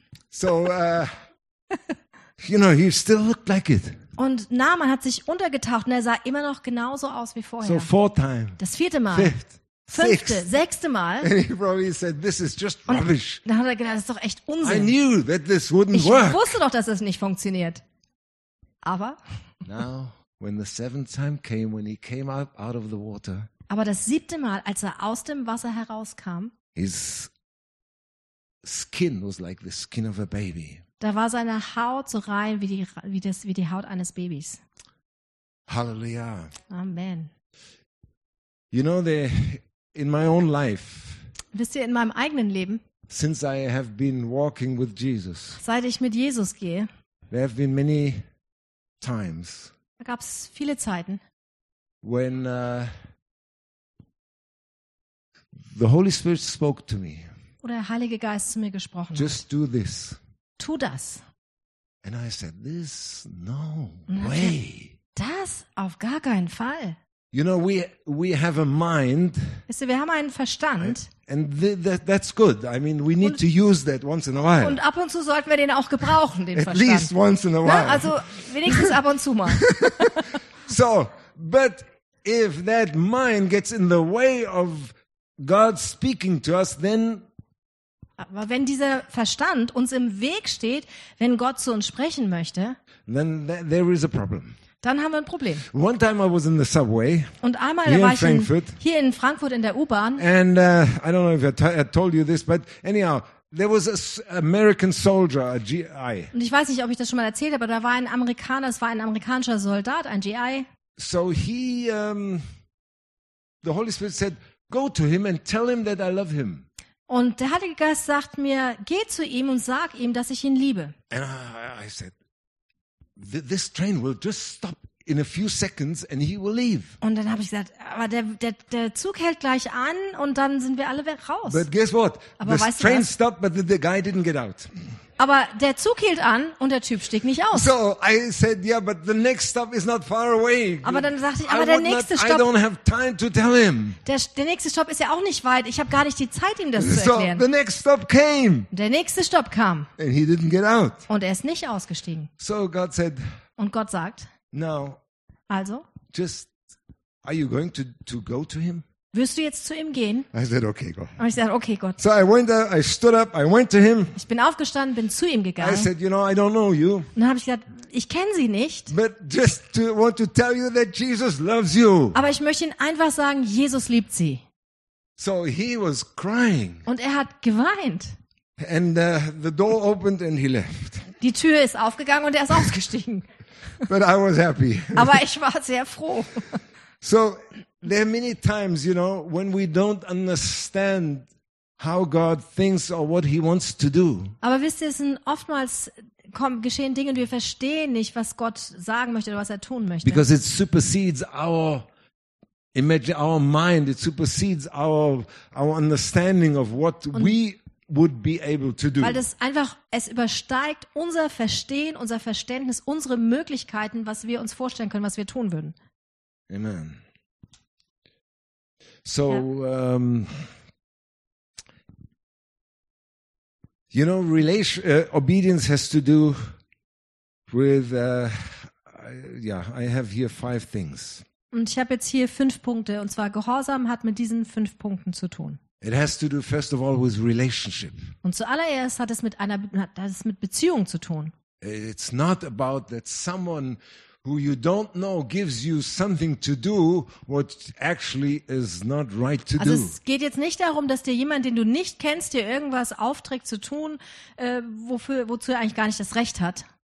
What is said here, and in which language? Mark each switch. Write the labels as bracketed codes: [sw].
[en] So, you know, he still looked like it. [de] Und Naaman hat sich untergetaucht und er sah immer noch genauso aus wie vorher. [en] So, four time. [de] Das vierte Mal. Sechste Mal. [en] And he probably said, this is just rubbish. [de] Und dann hat er gedacht, das ist doch echt Unsinn. [en] I knew that this wouldn't work. [de] Ich wusste doch, dass es nicht funktioniert. Aber. [en] Now, when the seventh time came, when he came out of the water. [de] Aber das siebte Mal, als er aus dem Wasser herauskam. [en] His skin was like the skin of a baby. [de] Da war seine Haut so rein wie die Haut eines Babys. Hallelujah. Amen. [en] You know, in my own life. [de] Wisst ihr, in meinem eigenen Leben? [en] Since I have been walking with Jesus. [de] Seit ich mit Jesus gehe. [en] There have been many times. [de] Da gab's viele Zeiten. [en] When the Holy Spirit spoke to me. [de] Oder der Heilige Geist zu mir gesprochen [en] just Do this. [de] Tu das. [en] And I said, this, no way. [de] Das auf gar keinen Fall. [en] You know, we have a mind. [de] Weißt du, wir haben einen Verstand. [en] And that's good. I mean, we need to use that once in a while. [de] Und ab und zu sollten wir den auch gebrauchen, den [en] at [de] Verstand. [en] At least once in a while. [de] Na, also wenigstens ab und zu mal. [en] So, but if that mind gets in the way of God speaking to us, then [de] aber wenn dieser Verstand uns im Weg steht, wenn Gott zu uns sprechen möchte, [en] then there is a problem. [de] Dann haben wir ein Problem. [en] One time I was in the subway, [de] und einmal war ich hier in Frankfurt in der U-Bahn. [en] And I don't know if I told you this, but anyhow, there was an American soldier, a GI. [de] Und ich weiß nicht, ob ich das schon mal erzählt habe, aber da war ein Amerikaner, es war ein amerikanischer Soldat, ein GI. [en] So he, the Holy Spirit said, go to him and tell him that I love him. [de] Und der Heilige Geist sagt mir, geh zu ihm und sag ihm, dass ich ihn liebe. [en] And I said, this train will just stop in a few seconds and he will leave. [de] Und dann habe ich gesagt, aber der Zug hält gleich an und dann sind wir alle raus. [en] But guess what? [de] Aber [en] the train stopped, but the guy didn't get out. [de] Aber der Zug hielt an und der Typ stieg nicht aus. [en] So I said, yeah, but the next stop is not far away. [de] Aber dann sagte ich, aber der nächste Stopp. [en] I don't have time to tell him. [de] Der nächste Stopp ist ja auch nicht weit. Ich habe gar nicht die Zeit, ihm das so zu erklären. [en] The next stop came. [de] Der nächste Stopp kam. [en] And he didn't get out. [de] Und er ist nicht ausgestiegen. [en] So God said. [de] Und Gott sagt. [en] Now. [de] Also. [en] Just, are you going to go to him? [de] Wirst du jetzt zu ihm gehen? [en] I said, okay, go. [de] Und ich sagte, okay, Gott. [en] So I went there, I stood up, I went to him. [de] Ich bin aufgestanden, bin zu ihm gegangen. [en] I said, you know, I don't know you. [de] Und dann habe ich gesagt, ich kenne sie nicht. [en] But just to want to tell you that Jesus loves you. [de] Aber ich möchte Ihnen einfach sagen, Jesus liebt sie. [en] So he was crying. [de] Und er hat geweint. [en] And the door opened and he left. [de] Die Tür ist aufgegangen und er ist ausgestiegen. [en] But I was happy. [de] Aber ich war sehr froh. [en] So there are many times, you know, when we don't understand how God thinks or what he wants to do. [de] Aber wisst ihr, es sind oftmals geschehen Dinge und wir verstehen nicht, was Gott sagen möchte oder was er tun möchte. [en] Because it supersedes our imagine our mind, it supersedes our understanding of what we would be able to do. [de] Weil das einfach, es übersteigt unser Verstehen, unser Verständnis, unsere Möglichkeiten, was wir uns vorstellen können, was wir tun würden. Amen. [en] So, you know, obedience has to do with, I have here 5 things. [de] Und ich habe jetzt hier 5 Punkte, und zwar Gehorsam hat mit diesen 5 Punkten zu tun. [en] It has to do first of all with relationship. [de] Und zuallererst hat es mit einer, das ist mit Beziehung zu tun. [en] It's not about that someone who you don't know gives you something to do what actually is not right to do. [de] Also es geht jetzt nicht darum, dass dir jemand, den du nicht kennst, dir irgendwas aufträgt zu tun, wozu er eigentlich gar nicht das Recht hat.